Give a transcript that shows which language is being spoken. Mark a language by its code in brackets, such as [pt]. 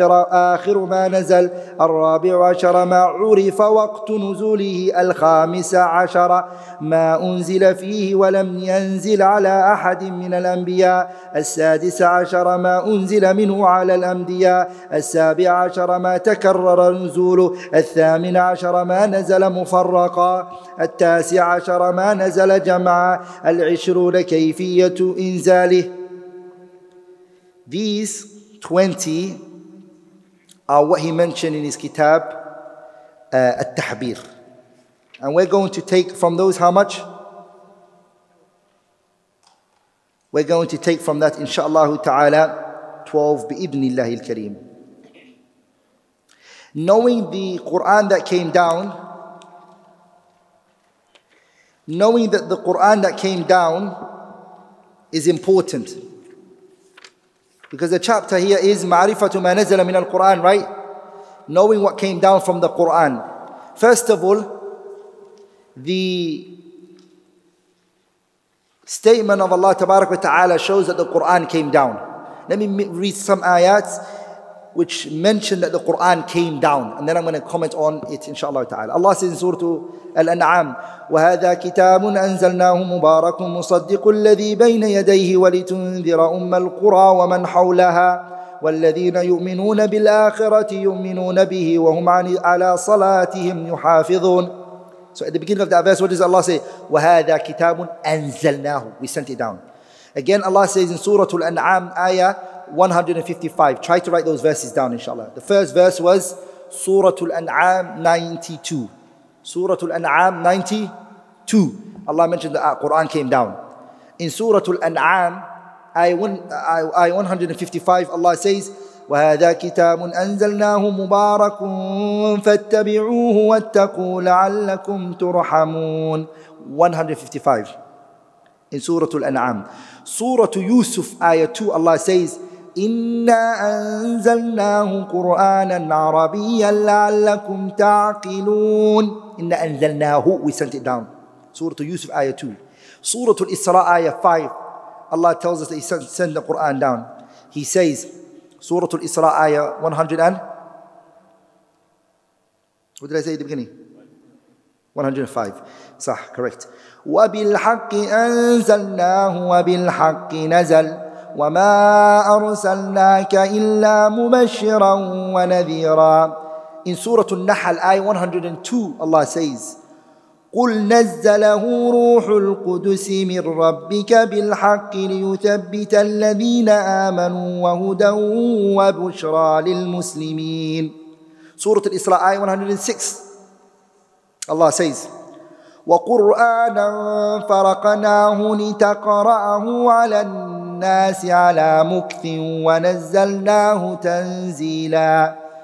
[ar] آخر ما نزل الرابع عشر ما عرف وقت نزوله الخامس عشر ما أنزل فيه ولم ينزل على أحد من الأنبياء السادس عشر ما أنزل منه على الأنبياء السابع عشر ما تكرر نزوله الثامن عشر ما نزل مفرقا التاسع عشر ما نزل جمعا العشرون كيفية إنزاله. [en] These 20 are what he mentioned in his kitab, At-Tahbir. And we're going to take from those how much? We're going to take from that, inshaAllah ta'ala, 12 [ar] bi-ibni Allahil Kareem. [en] Knowing the Qur'an that came down, knowing that the Qur'an that came down is important. Because the chapter here is [ar] Ma'rifatu ma nazala min al-Qur'an, [en] right? Knowing what came down from the Qur'an. First of all, the statement of Allah tabarak wa ta'ala shows that the Qur'an came down. Let me read some ayats which mention that the Qur'an came down. And then I'm going to comment on it, inshaAllah ta'ala. Allah says in Surah Al-An'am, [ar] وَهَذَا كِتَابٌ أَنزَلْنَاهُ مُبَارَكٌ مُصَدِّقُ الَّذِي بَيْنَ يَدَيْهِ وَلِتُنذِرَ أُمَّ الْقُرَى وَمَنْ حَوْلَهَا وَالَّذِينَ يُؤْمِنُونَ بِالْآخِرَةِ يُؤْمِنُونَ بِهِ وَهُمْ عَلَى صَلَاتِهِمْ يُحَافِظُونَ. [en] So at the beginning of that verse, what does Allah say? [ar] وَهَذَا كِتَابٌ أَنزَلْنَاهُ. [en] We sent it down. Again, Allah says in Surah Al-An'am, Ayah 155. Try to write those verses down, inshallah. The first verse was Surah Al-An'am 92. Surah Al-An'am 92. Allah mentioned that Quran came down. In Surah Al-An'am, Ayah 155, Allah says, [ar] وَهَذَا كِتَابٌ أَنزَلْنَاهُ مُبَارَكٌ فَاتَّبِعُوهُ وَاتَّقُوا لَعَلَّكُمْ تُرْحَمُونَ. [en] 155. In Surah Al-An'am. Surah Yusuf, Ayah 2, Allah says, [ar] إِنَّا أَنزَلْنَاهُ قُرْآنًا عَرَبِيًّا لَعَلَّكُمْ تَعْقِلُونَ. إِنَّا أَنزَلْنَاهُ. [en] We sent it down. Surah Yusuf, Ayah 2. Surah Al-Isra, Ayah 5. Allah tells us that He sent the Qur'an down. He says, Surah Al-Isra, Ayah 100 and? What did I say at the beginning? 105. Sah, correct. [ar] وَبِالْحَقِّ أَنزَلْنَاهُ وَبِالْحَقِّ نَزَلْ وَمَا أَرْسَلْنَاكَ إِلَّا مُبَشِّرًا وَنَذِيرًا. [en] In Surah Al-Nahl, Ayah 102, Allah says, [ar] قُلْ نَزَّلَهُ رُوحُ الْقُدُسِ مِنْ رَبِّكَ بِالْحَقِّ لِيُثَبِّتَ الَّذِينَ آمَنُوا وَهُدًى وَبُشْرَى لِلْمُسْلِمِينَ سورة الإسراء آية 106 الله says وَقُرْآنًا فَرَقْنَاهُ لِتَقْرَأَهُ عَلَى النَّاسِ عَلَى مُكْثٍ وَنَزَّلْنَاهُ تَنْزِيلًا